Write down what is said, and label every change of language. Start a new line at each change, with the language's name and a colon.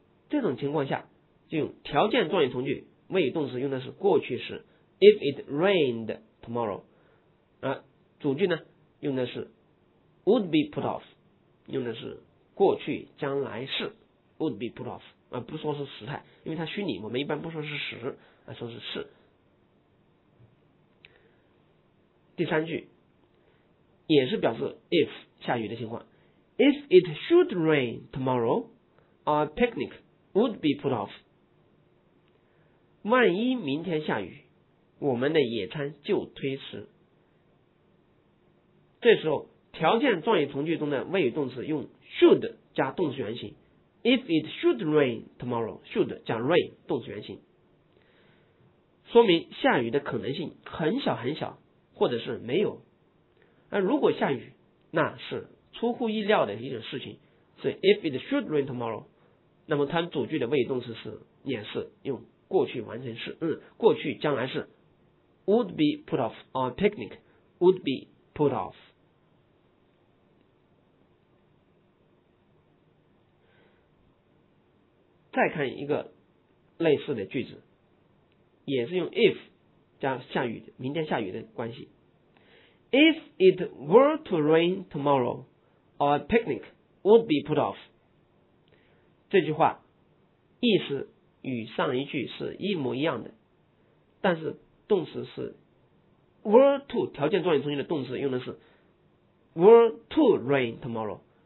Chinese: 这种情况下就用条件状语从句谓语动词用的是过去时
English: if it rained tomorrow,
Chinese: 而主句呢用的是
English: would be put off,
Chinese: 用的是过去将来式 would be put off, 而不说是时态，因为它虚拟我们一般不说是时而说是是。第三句也是表示 if 下雨的情况。
English: If it should rain tomorrow, our picnic would be put off.
Chinese: 万一明天下雨，我们的野餐就推迟。这时候条件状语从句中的谓语动词用 should 加动词原形，
English: If it should rain tomorrow,
Chinese: should 加 rain 动词原形，说明下雨的可能性很小很小，或者是没有。而如果下雨，那是出乎意料的一种事情，所以
English: if it should rain tomorrow,
Chinese: 那么它主句的谓语动词是也是用过去完成式，过去将来是
English: would be put off,
Chinese: our picnic would be put off。再看一个类似的句子，也是用 if 加下雨，明天下雨的关系。
English: If it were to rain tomorrow, our picnic would be put off.
Chinese: 这句话意思与上一句是一模一样的，但是动词是 were to， 条件状语从句的动词用的是
English: were to rain tomorrow.